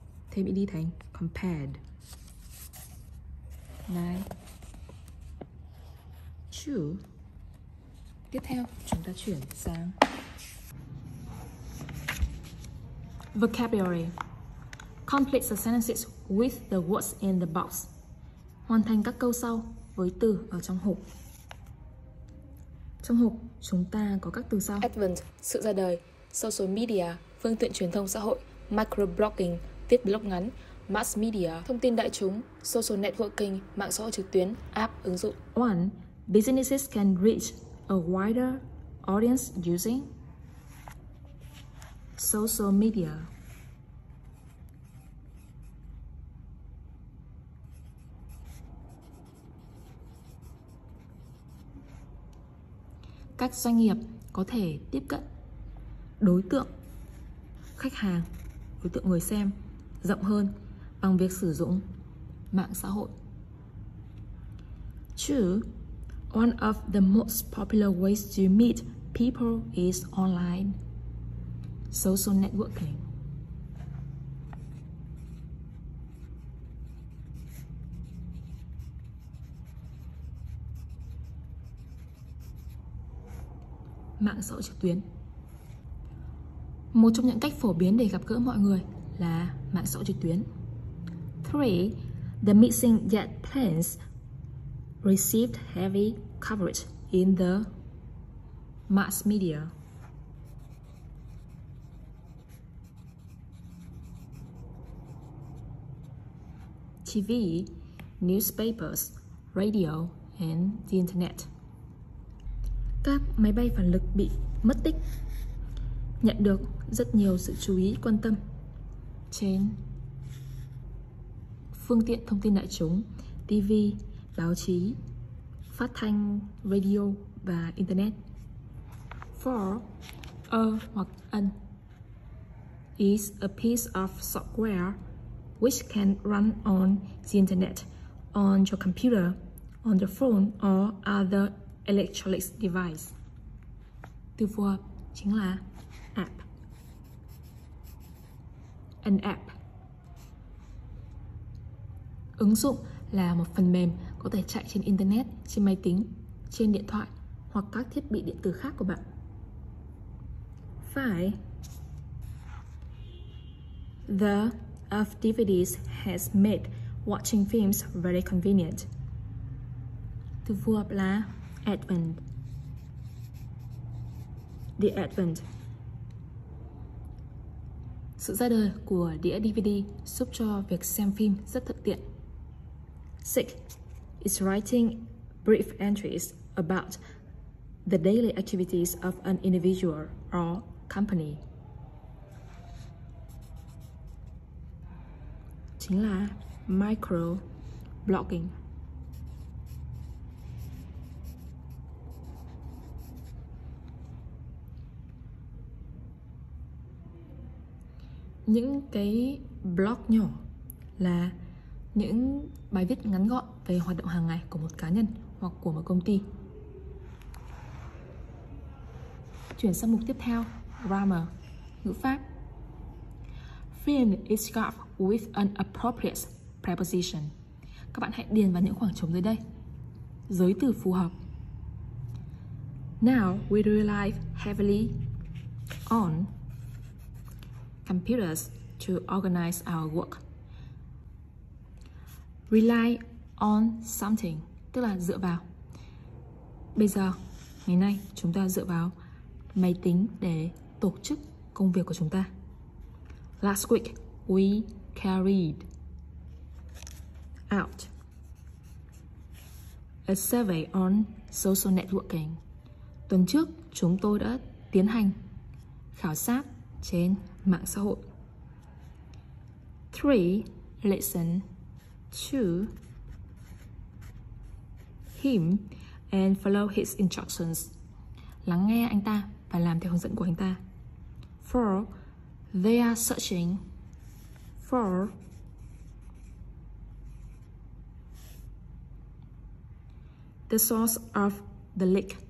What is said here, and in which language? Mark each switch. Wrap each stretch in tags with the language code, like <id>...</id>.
<vi>Thêm ID thành compared. 9. 2. Tiếp theo, chúng ta chuyển sang vocabulary.</vi> <en>Complete the sentences with the words in the box.</en> <vi>Hoàn thành các câu sau với từ ở trong hộp. Trong hộp, chúng ta có các từ sau: Advent, sự ra đời, social media, phương tiện truyền thông xã hội, microblogging, viết blog ngắn, mass media, thông tin đại chúng, social networking, mạng xã hội trực tuyến, app, ứng dụng.</vi> <en>1. Businesses can reach a wider audience using social media. 2.</en> <vi>Các doanh nghiệp có thể tiếp cận đối tượng khách hàng, đối tượng người xem rộng hơn bằng việc sử dụng mạng xã hội. 2.</vi> <en>One of the most popular ways to meet people is online social networking. 3.</en> <vi>Mạng xã hội trực tuyến. Một trong những cách phổ biến để gặp gỡ mọi người là mạng xã hội trực tuyến. 3.</vi> <en>The missing jet planes received heavy coverage in the mass media. 4. TV, newspapers, radio and the internet.</en> <vi>Các máy bay phản lực bị mất tích nhận được rất nhiều sự chú ý quan tâm trên phương tiện thông tin đại chúng, TV, báo chí, phát thanh, radio và internet. 4.</vi> <en>A hoặc an is a piece of software which can run on the internet, on your computer, on the phone or other electronic device.</en> <vi>Từ phù hợp chính là app.</vi> <en>An app.</en> <vi>Ứng dụng là một phần mềm có thể chạy trên internet, trên máy tính, trên điện thoại hoặc các thiết bị điện tử khác của bạn. 5.</vi> <en>The of DVDs has made watching films very convenient.</en> <vi>Từ phù hợp là advent.</vi> <en>The advent.</en> <vi>Sự ra đời của đĩa DVD giúp cho việc xem phim rất thuận tiện. 6.</vi> <en>It's writing brief entries about the daily activities of an individual or company.</en> <vi>chính là micro blogging. Những cái blog nhỏ là những bài viết ngắn gọn về hoạt động hàng ngày của một cá nhân hoặc của một công ty. Chuyển sang mục tiếp theo, grammar, ngữ pháp.</vi> <en>Friend is scarf with an appropriate preposition.</en> <vi>Các bạn hãy điền vào những khoảng trống dưới đây. Giới từ phù hợp.</vi> <en>Now we rely heavily on computers to organize our work. Rely on something,</en> <vi>tức là dựa vào. Bây giờ, ngày nay, chúng ta dựa vào máy tính để tổ chức công việc của chúng ta.</vi> <en>Last week, we carried out a survey on social networking.</en> <vi>Tuần trước, chúng tôi đã tiến hành khảo sát trên mạng xã hội.</vi> <en>Three, listen to him and follow his instructions.</en> <vi>Lắng nghe anh ta và làm theo hướng dẫn của anh ta.</vi> <en>Four, they are searching for the source of the leak.</en>